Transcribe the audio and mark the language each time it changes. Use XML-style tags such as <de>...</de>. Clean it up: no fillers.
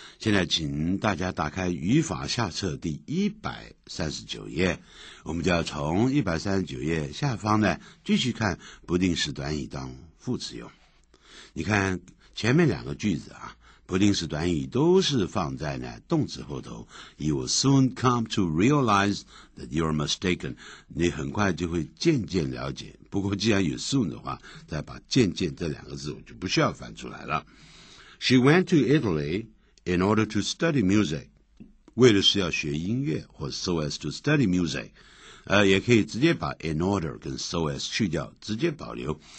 <zh>现在请大家打开语法下册第139页。我们就要从139页下方呢，继续看不定时短语当副词用。你看前面两个句子啊，不定时短语都是放在呢动词后头。</zh> <en>You will soon come to realize that you are mistaken.</en> <zh>你很快就会渐渐了解。不过既然有 soon 的话，再把渐渐这两个字我就不需要翻出来了。</zh> <en>She went to Italy in order to study music.</en> <zh>为的是要学音乐，或</zh> <en>so as to study music。</en> <zh>也可以直接把 in order 跟 so as 去掉，直接保留。</zh>